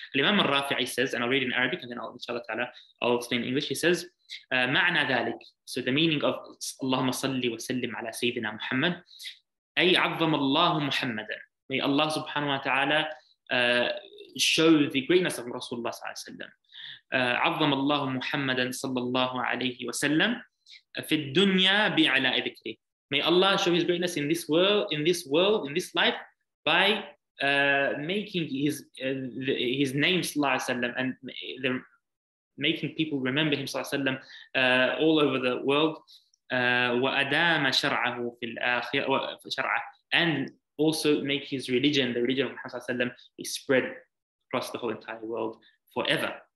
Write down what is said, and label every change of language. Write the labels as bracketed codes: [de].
[en] Al-Imam Rafi'i says, and I'll read in Arabic and then I'll explain in English. He says, [ar] ma'na dhalik, [en] so the meaning of Allahumma salli wa sallim ala Sayyidina Muhammad, [ar] ay azzam Allahu Muhammadan, [en] may Allah subhanahu wa ta'ala show the greatness of Rasulullah sallallahu alayhi wa sallam. [ar] عظم الله محمدا صلى الله عليه وسلم في الدنيا بعلاء ذكره. [en] May Allah show his greatness in this world, in this life, by making his name sallallahu alayhi wa sallam, and the, making people remember him sallallahu alayhi wa sallam all over the world. [ar] وأدام شرعه في الآخرة شرعه, [en] and also make his religion, the religion of Muhammad sallallahu alayhi wa sallam, spread across the whole entire world forever.